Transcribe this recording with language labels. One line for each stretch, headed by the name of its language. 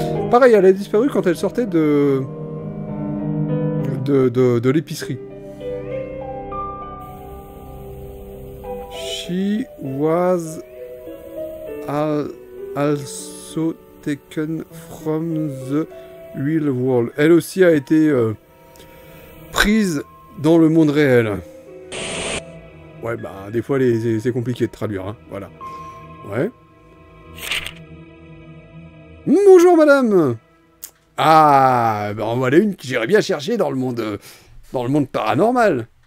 French: Pareil, elle a disparu quand elle sortait de l'épicerie.
English: She was also taken from the real world.
French: Elle aussi a été prise dans le monde réel. Ouais, bah, des fois, c'est compliqué de traduire, hein. Voilà. Ouais. Bonjour, madame. Ah, bah, en voilà une que j'irais bien chercher dans le monde paranormal.